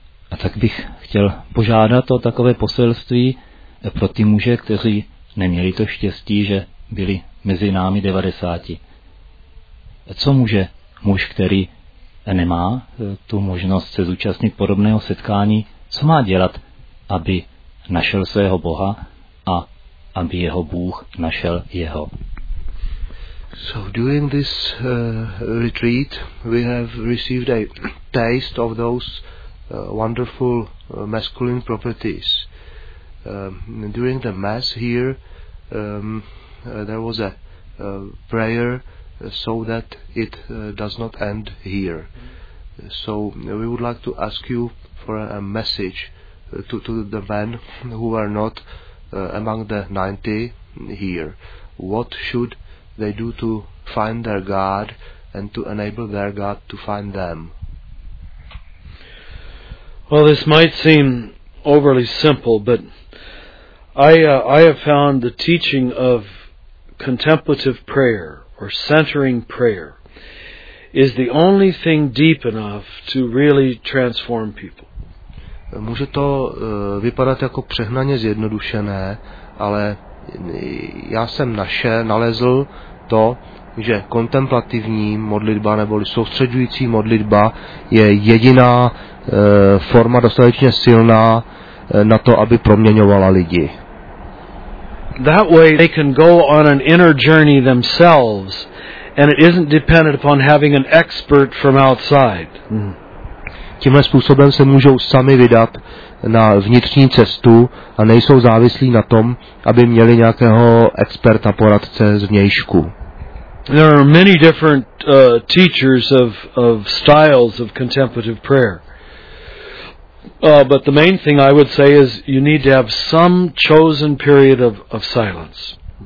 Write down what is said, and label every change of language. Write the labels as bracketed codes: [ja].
[cs] A tak bych chtěl požádat o takové poselství pro ty muže, kteří neměli to štěstí, že byli mezi námi 90. Co může muž, který nemá tu možnost se zúčastnit podobného setkání, co má dělat, aby našel svého Boha a aby jeho Bůh našel jeho? [en] So during this retreat we have received a taste of those wonderful masculine properties. During the mass here, there was a prayer so that it does not end here. So we would like to ask you for a message to the men who are not among the 90 here. What should they do to find their God and to enable their God to find them? Well, this might seem overly simple, but I have found the teaching of contemplative prayer or centering prayer is the only thing deep enough to really transform people. [cs] Může to vypadat jako přehnaně zjednodušené, ale já jsem nalezl to, že kontemplativní modlitba neboli soustředující modlitba je jediná forma dostatečně silná na to, aby proměňovala lidi. [en] That way they can go on an inner journey themselves and it isn't dependent upon having an expert from outside. [cs] Tímhle způsobem se můžou sami vydat na vnitřní cestu a nejsou závislí na tom, aby měli nějakého experta, poradce zvnějšku. [en] There are many different teachers of styles of contemplative prayer. But the main thing I would say is you need to have some chosen period of silence.